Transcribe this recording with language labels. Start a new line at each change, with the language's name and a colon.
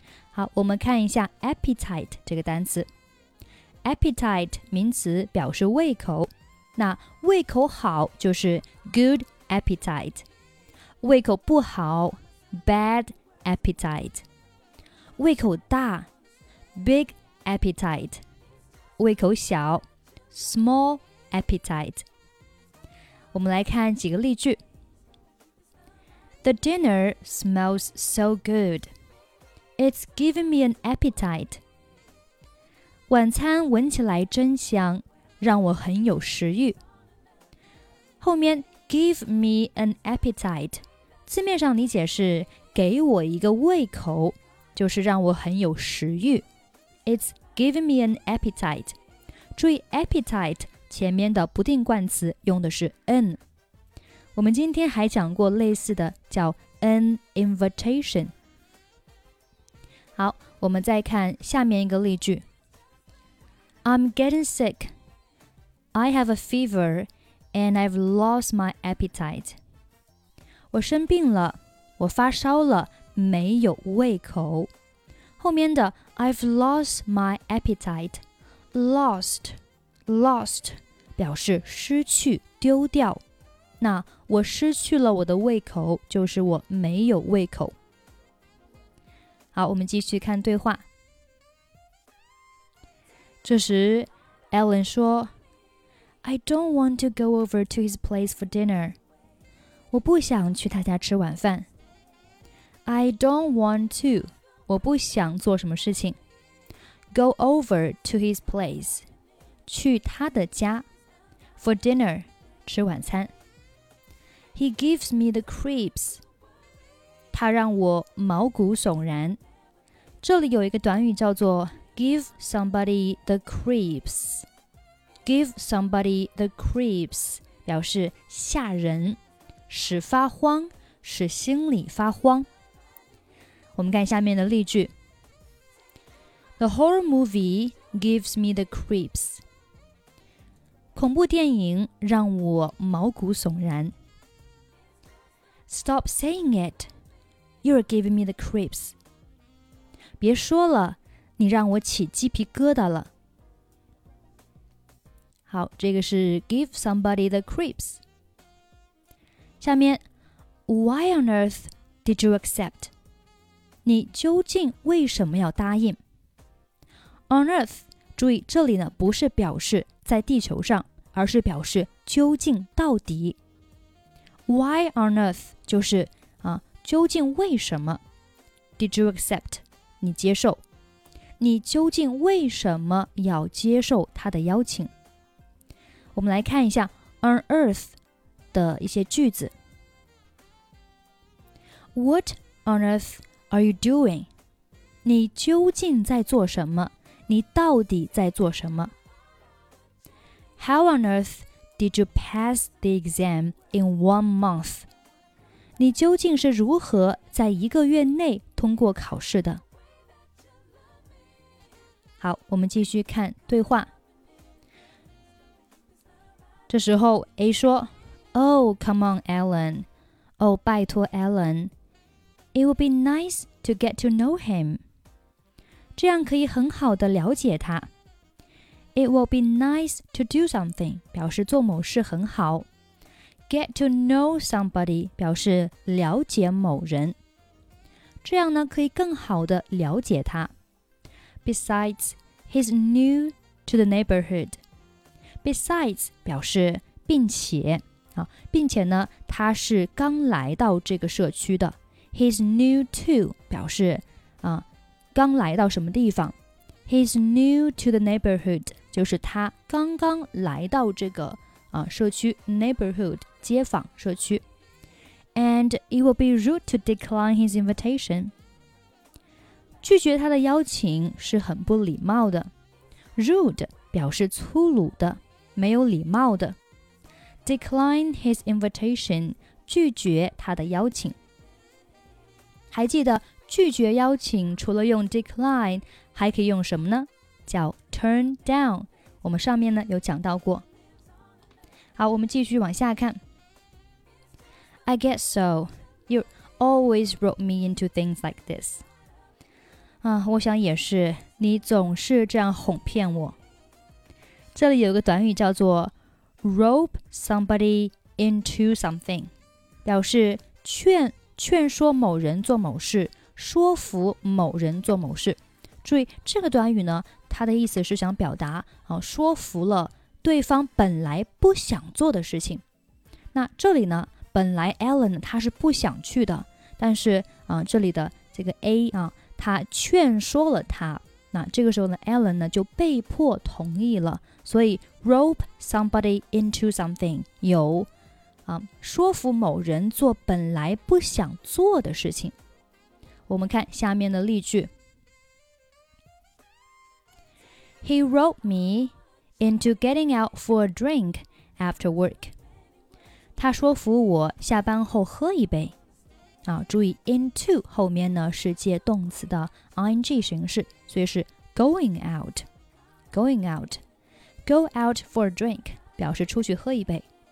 Chinese: 好，我们看一下 appetite 这个单词。Appetite 名词表示胃口，那胃口好就是
English: good appetite，
Chinese: 胃口不好
English: bad appetite，
Chinese: 胃口大
English: big appetite，
Chinese: 胃口小
English: small appetite。
Chinese: 我们来看几个例句。
English: The dinner smells so good. It's giving me an appetite.
Chinese: 晚餐闻起来真香，让我很有食欲。后面
English: give me an appetite，
Chinese: 字面上理解是给我一个胃口，就是让我很有食欲。
English: It's giving me an appetite。
Chinese: 注意 appetite 前面的不定冠词用的是 an。我们今天还讲过类似的叫 an invitation。好，我们再看下面一个例句。
English: I'm getting sick. I have a fever, and I've lost my appetite.
Chinese: 我生病了，我发烧了，没有胃口。
English: 后面的 I've lost my appetite.
Chinese: Lost 表示失去、丢掉。那我失去了我的胃口，就是我没有胃口。好，我们继续看对话。这时
English: Ellen 说 I don't want to go over to his place for dinner.
Chinese: 我不想去他家吃晚饭。
English: I don't want to.
Chinese: 我不想做什么事情。
English: Go over to his place.
Chinese: 去他的家。
English: For dinner.
Chinese: 吃晚餐。
English: He gives me the creeps.
Chinese: 他让我毛骨悚然。这里有一个短语叫做
English: Give somebody the creeps. Give somebody the creeps.
Chinese: 表示吓人，使发慌，使心里发慌。我们看下面的例句。
English: The horror movie gives me the creeps.
Chinese: 恐怖电影让我毛骨悚然。
English: Stop saying it. You're giving me the creeps.
Chinese: 别说了。你让我起鸡皮疙瘩了。好，这个是
English: give somebody the creeps。
Chinese: 下面
English: ，Why on earth did you accept？
Chinese: 你究竟为什么要答应 ？
English: On earth，
Chinese: 注意这里呢不是表示在地球上，而是表示究竟到底。
English: Why on earth
Chinese: 就是啊，究竟为什么
English: ？Did you accept？
Chinese: 你接受。你究竟为什么要接受他的邀请？我们来看一下
English: on earth
Chinese: 的一些句子。
English: What on earth are you doing?
Chinese: 你究竟在做什么？你到底在做什么？
English: How on earth did you pass the exam in 1 month?
Chinese: 你究竟是如何在一个月内通过考试的？好，我们继续看对话。这时候
English: A 说 Oh, come on, Alan. Oh,
Chinese: 拜托
English: Alan. It would be nice to get to know him.
Chinese: 这样可以很好的了解他。
English: It will be nice to do something,
Chinese: 表示做某事很好。
English: Get to know somebody,
Chinese: 表示了解某人。这样呢可以更好的了解他。
English: Besides, he's new to the neighborhood. Besides,
Chinese: 表示并且、啊、并且呢他是刚来到这个社区的。
English: He's new to,
Chinese: 表示、啊、刚来到什么地方。
English: He's new to the neighborhood,
Chinese: 就是他刚刚来到这个、啊、社区 neighborhood, 街坊社区。
English: And it will be rude to decline his invitation.
Chinese: 拒绝他的邀请是很不礼貌的。
English: Rude
Chinese: 表示粗鲁的，没有礼貌的。
English: Decline his invitation,
Chinese: 拒绝他的邀请。还记得拒绝邀请除了用 decline, 还可以用什么呢？叫
English: turn down,
Chinese: 我们上面呢有讲到过。好，我们继续往下看。
English: I guess so. You always rope me into things like this.
Chinese: 啊，我想也是，你总是这样哄骗我。这里有一个短语叫做
English: rope somebody into something，
Chinese: 表示劝说某人做某事，说服某人做某事。注意这个短语呢，它的意思是想表达、啊、说服了对方本来不想做的事情。那这里呢？本来 Alan 他是不想去的，但是、这里的这个 A、他劝说了他，那这个时候呢 Alan 呢就被迫同意了。所以
English: rope somebody into something
Chinese: 有、说服某人做本来不想做的事情。我们看下面的例句。
English: He roped me into getting out for a drink after work.
Chinese: 他说服我下班后喝一杯、啊、注意 into 后面呢是接动词的 ing 形式，所以是
English: going out，
Chinese: going out，
English: go out for a drink
Chinese: 表示出去喝一杯。